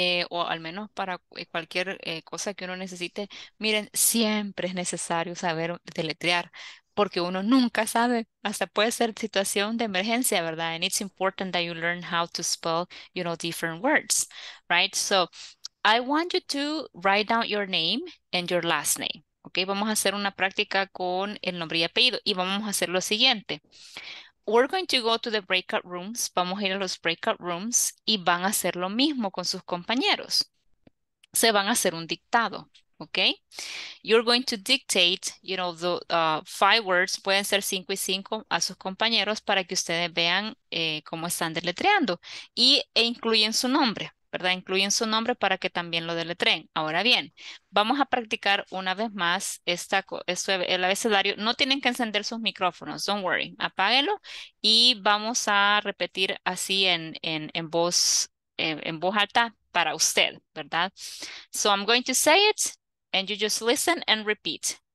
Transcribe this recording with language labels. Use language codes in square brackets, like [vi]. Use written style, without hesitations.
[es] O al menos para cualquier cosa que uno necesite, miren, siempre es necesario saber deletrear, porque uno nunca sabe, hasta puede ser situación de emergencia, ¿verdad? [en] And it's important that you learn how to spell, you know, different words, right? So, I want you to write down your name and your last name, ¿ok? [es] Vamos a hacer una práctica con el nombre y apellido, y vamos a hacer lo siguiente. [en] We're going to go to the breakout rooms. [es] Vamos a ir a los breakout rooms y van a hacer lo mismo con sus compañeros. Se van a hacer un dictado, okay? [en] You're going to dictate, you know, the 5 words, [es] pueden ser 5 y 5, a sus compañeros para que ustedes vean cómo están deletreando. E incluyen su nombre, ¿verdad? Incluyen su nombre para que también lo deletreen. Ahora bien, vamos a practicar una vez más el abecedario. No tienen que encender sus micrófonos, [en] don't worry, [es] apáguenlo. Y vamos a repetir así en voz alta para usted, ¿verdad? [en] So I'm going to say it, and you just listen and repeat.